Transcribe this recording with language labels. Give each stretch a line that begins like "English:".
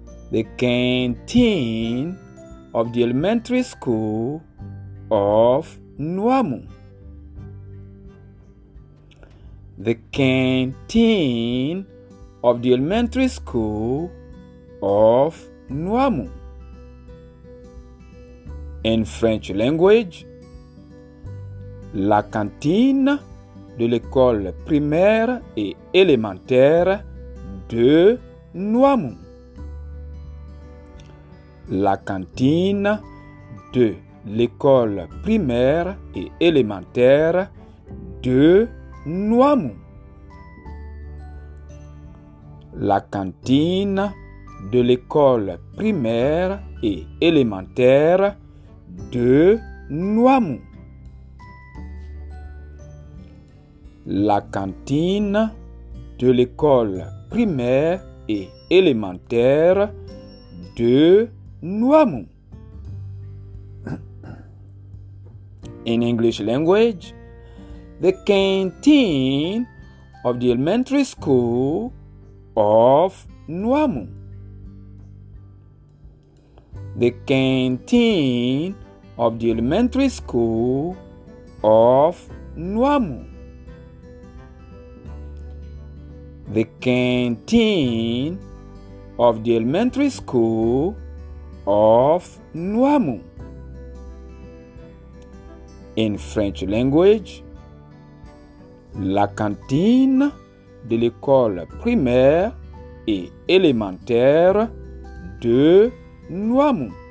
English: The canteen of the elementary school of Nuamu. The canteen of the elementary school of Nuamu. In French language,
French: la cantine de l'école primaire et élémentaire de Nuamu. La cantine de l'école primaire et élémentaire de Nuamu. La cantine de l'école primaire et élémentaire de Nuamu. La cantine de l'école primaire et élémentaire de Nuamu.
English: In English language, the canteen of the elementary school of Nuamu. The canteen of the elementary school of Nuamu. The canteen of the elementary school of Nuamu. In French language,
French: la cantine de l'école primaire et élémentaire de Nuamu.